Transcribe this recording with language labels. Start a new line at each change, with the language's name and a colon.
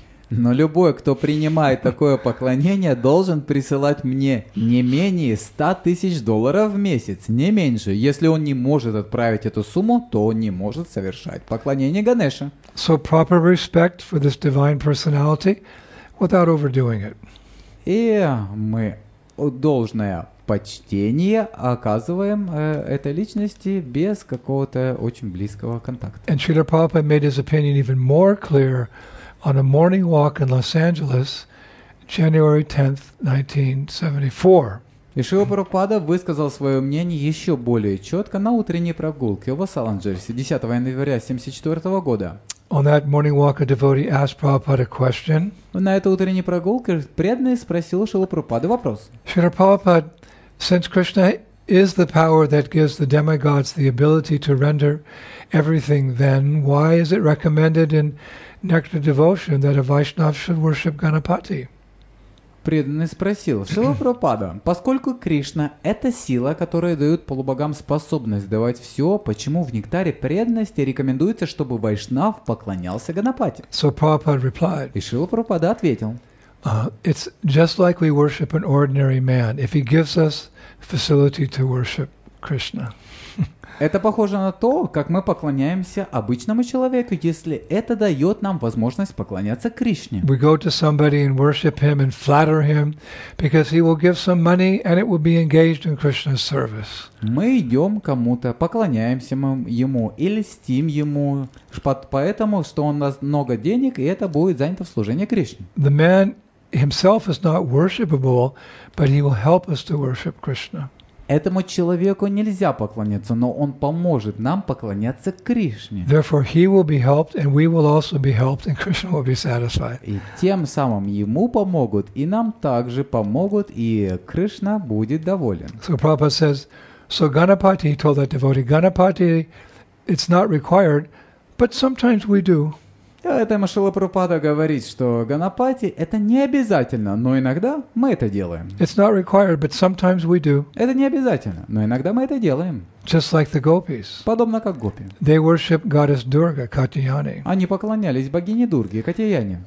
Russian: Но любой, кто принимает такое поклонение, должен присылать мне не менее 100 тысяч долларов в месяц, не меньше. Если он не может отправить эту сумму, то он не может совершать поклонение Ганеше.
English: So proper respect for this divine personality without overdoing it.
Russian: И мы должное почтение оказываем этой личности без какого-то очень близкого контакта.
English: And Srila Prabhupada made his opinion even more clear on a morning walk in Los Angeles, January 10th, 1974.
Russian: Шрила Прабхупада высказал свое мнение еще более четко на утренней прогулке в Лос-Анджелесе 10 января 1974 года.
English: On that morning walk, a devotee asked Prabhupada a question.
Russian: На этой утренней прогулке преданный спросил Шрила Прабхупада вопрос.
English: Шрила Прабхупада, since Krishna is the power that gives the demigods the ability to render everything, then why is it recommended in Nectar devotion that a Vaishnav should worship Ganapati?
Russian: Преданный спросил Шрила Прабхупада, поскольку Кришна — это сила, которая дает полубогам способность давать все, почему в нектаре преданности рекомендуется, чтобы Вайшнав поклонялся Ганапати?
English: So Prabhupada replied.
Russian: И Шрила Прабхупада ответил.
English: It's just like we worship an ordinary man. If he gives us facility to worship Krishna.
Russian: Это похоже на то, как мы поклоняемся обычному человеку, если это дает нам возможность поклоняться Кришне.
English: We go to somebody and worship him and flatter him, because he will give some money and it will be engaged in Krishna's service.
Russian: Мы идем кому-то, поклоняемся ему и льстим ему, поэтому, что он даст много денег, и это будет занято в служении Кришне.
English: The man himself is not worshipable, but he will help us to worship Krishna.
Russian: Этому человеку нельзя поклоняться, но он поможет нам поклоняться Кришне.
English: Therefore, he will be helped, and we will also be helped, and Krishna will be satisfied.
Russian: И тем самым ему помогут, и нам также помогут, и Кришна будет доволен.
English: So Prabhupada says, so Ganapati told that devotee, Ganapati, it's not required, but sometimes we do.
Russian: Это Шрила Прабхупада говорит, что Ганапати — это не обязательно, но иногда мы это делаем.
English: It's not required, but sometimes we do.
Russian: Это не обязательно, но иногда мы это делаем.
English: Just like the gopis.
Russian: Подобно как гопи.
English: They worship goddess Durga, Katyayani.
Russian: Они поклонялись богине Дурге, Катьяяне.